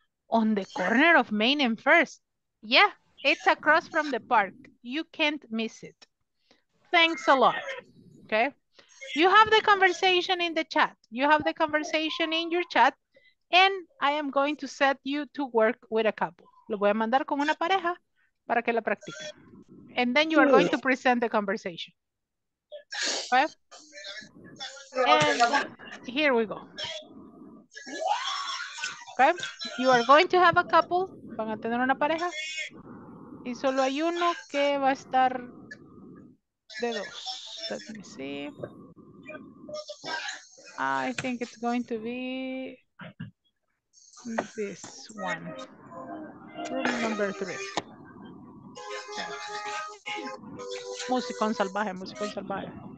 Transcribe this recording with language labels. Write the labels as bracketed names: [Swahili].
[English] On the corner of Main and First. Yeah, it's across from the park. You can't miss it. Thanks a lot. Okay? You have the conversation in the chat. You have the conversation in your chat. And I am going to set you to work with a couple. [Spanish] Lo voy a mandar con una pareja para que la practiquen. [English] And then you are going to present the conversation. Okay? And here we go. Okay? You are going to have a couple. [Spanish] Van a tener una pareja. Y solo hay uno que va a estar de dos. [English] Let me see. I think it's going to be this one, room number three. [Spanish] Yeah. Musicón salvaje, musicón salvaje.